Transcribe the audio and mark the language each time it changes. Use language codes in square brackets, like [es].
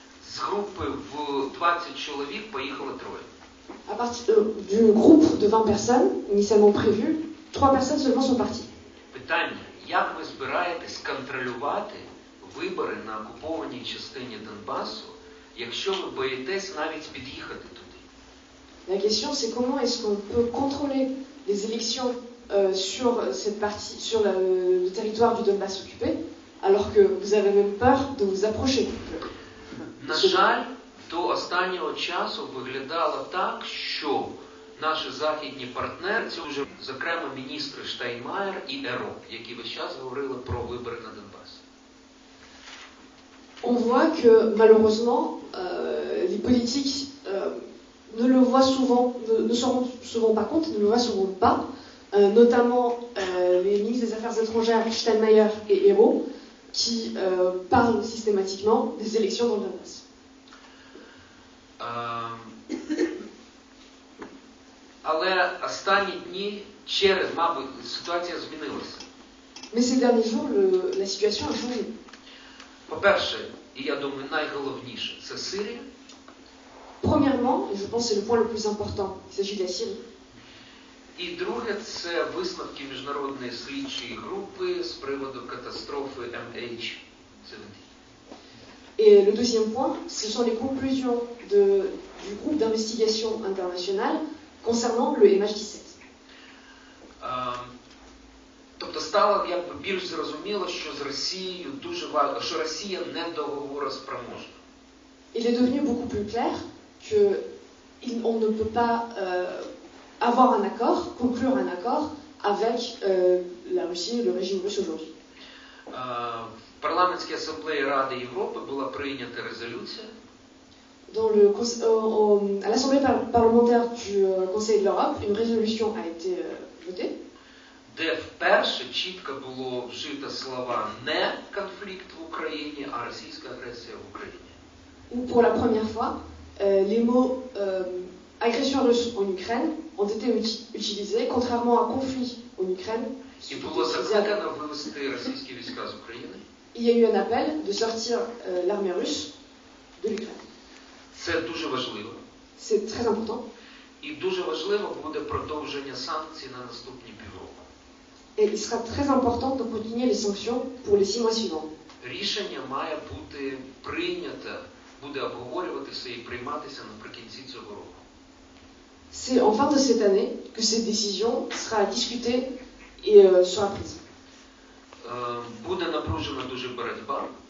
[uk] З групи в 20 чоловік поїхало троє. [fr] À partir d'un groupe de 20 personnes initialement prévu, 3 personnes seulement sont parties. [uk] Питання: як ви збираєтесь контролювати вибори на окупованій частині Донбасу, якщо ви боїтесь навіть під'їхати туди? [fr] La question c'est comment est-ce qu'on peut contrôler les élections sur cette partie sur le territoire du Donbass occupé? Alors que vous avez même peur de vous approcher. [uk] На жаль, до останнього часу виглядало так, що наші західні партнери, це вже зокрема міністри Штайнмаєр і Еро, які весь час говорили про вибори на Донбасі. [fr] On voit que malheureusement les politiques ne le voient souvent, ne se rendent souvent pas compte, ne le voient souvent pas, notamment les ministres des Affaires étrangères Steinmeier et Eero. Qui parle systématiquement des élections dans le Donbass. [uk] Але останні дні через, мабуть, ситуація змінилася. [fr] Mais ces derniers jours, la situation a changé. [uk] По-перше, і я думаю, найголовніше це Сирія. [fr] Premièrement, et je pense que c'est le point le plus important, il s'agit de la Syrie. [uk] І друге, це висновки міжнародної слідчої групи з приводу катастрофи MH17. [fr] Et le deuxième point, ce sont les conclusions du groupe d'investigation international concernant le MH17. [uk] Тобто стало якби більш зрозуміло, що з Росією дуже важко, що Росія не договороспроможна. [fr] Il est devenu beaucoup plus clair que on ne peut pas avoir un accord, conclure un accord avec la Russie, le régime russe aujourd'hui. [uk] В парламентській асамблеї Ради Європи була прийнята резолюція. [fr] Dans le à l'Assemblée parlementaire du Conseil de l'Europe, une résolution a été votée. [uk] Де вперше чітко було вжито слова не конфлікт в Україні, а російська агресія в Україні. [fr] Où pour la première fois, les mots agression russe en Ukraine ont été utilisés contrairement à conflit en Ukraine. [uk] І було закликано вивести російські війська з України. [fr] Il y a eu un appel de sortir l'armée russe de l'Ukraine. [uk] Це дуже важливо. [fr] C'est très important. [uk] І дуже важливо буде продовження санкцій на наступні півроку. [fr] Et il sera très important de continuer les sanctions pour les 6 mois suivants. [uk] Рішення має бути прийнято, буде обговорюватися і прийматися наприкінці цього року. [fr] C'est en fin de cette année que cette décision sera discutée et sera prise. [uk] Буде напружена дуже боротьба.